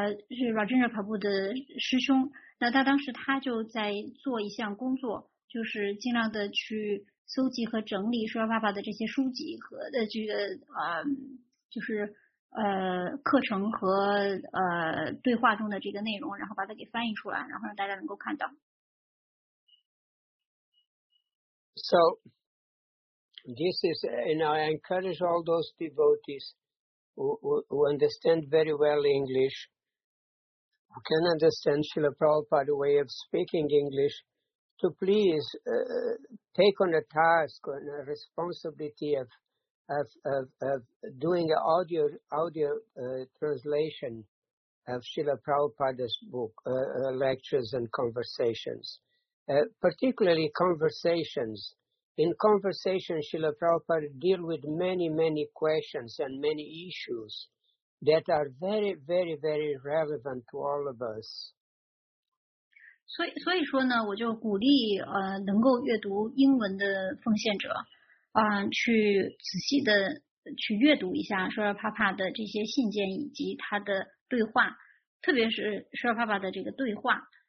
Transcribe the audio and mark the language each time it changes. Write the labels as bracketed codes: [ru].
[zh] 是 Rajendra Prabhu 的师兄，那他当时他就在做一项工作，就是尽量的去搜集和整理舒拉帕帕的这些书籍和这个就是课程和对话中的这个内容，然后把它给翻译出来，然后让大家能够看到。 [en] So this is, and I encourage all those devotees who understand very well English. Who can understand Srila Prabhupada's way of speaking English, to please take on a task or a responsibility of doing an audio translation of Srila Prabhupada's book, lectures and conversations, particularly conversations. In conversations, Srila Prabhupada deal with many questions and many issues. That are very, very, very relevant to all of us. [zh] 所以说呢，我就鼓励能够阅读英文的奉献者，去仔细的去阅读一下舒拉帕帕的这些信件以及他的对话，特别是舒拉帕帕的这个对话。